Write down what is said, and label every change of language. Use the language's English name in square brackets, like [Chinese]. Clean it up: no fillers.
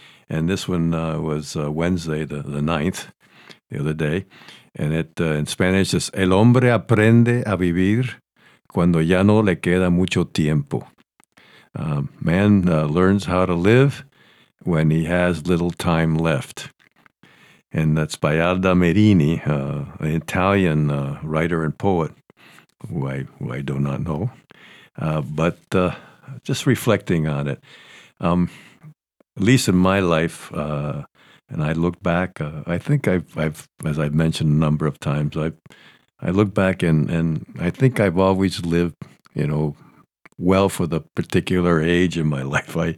[English] And this one was Wednesday, the 9th, the other day. And it, in Spanish, is [Spanish] El hombre aprende a vivir cuando ya no le queda mucho tiempo. [English] Man learns how to live when he has little time left. And that's by Alda Merini, an Italian writer and poet, who I do not know. But just reflecting on it, at least in my life, and I look back, I think I've as I've mentioned a number of times, I look back and I think I've always lived, you know, well for the particular age in my life.